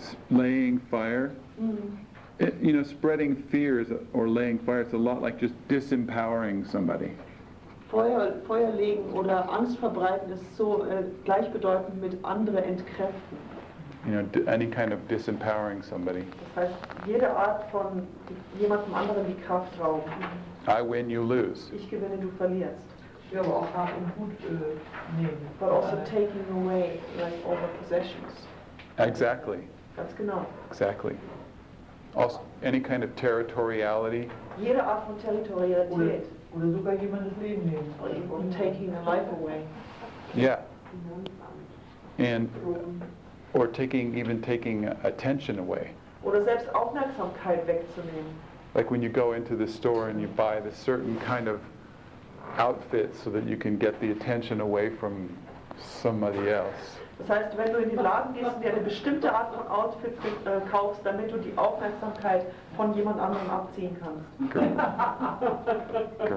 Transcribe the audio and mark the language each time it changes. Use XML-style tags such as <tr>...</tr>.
<en>Laying fire, you know, spreading fears or laying fire, it's a lot like just disempowering somebody.</en> <de>Feuer legen oder Angst verbreiten ist so gleichbedeutend mit andere entkräften.</de> <en>You know, any kind of disempowering somebody.</en> <de>Das heißt, jede Art von jemandem anderen die Kraft rauben.</de> <en>I win, you lose.</en> <de>Ich gewinne, du verlierst. Ja, aber auch hart und gut nehmen.</de> <en>But also taking away, like, all the possessions. Exactly.</en> <de>Ganz genau.</de> <en>Exactly. Also, any kind of territoriality.</en> <de>Jede Art von Territorialität. Oder sogar jemandes Leben nehmen.</de> <en>Or taking the life away. Yeah. And, or taking attention away.</en> <de>Oder selbst Aufmerksamkeit wegzunehmen.</de> <en>Like when you go into the store and you buy this certain kind of outfit so that you can get the attention away from somebody else.</en> <de>Das heißt, wenn du in den Laden gehst und dir eine bestimmte Art von Outfit kaufst, damit du die Aufmerksamkeit von jemand anderem abziehen kannst.</de>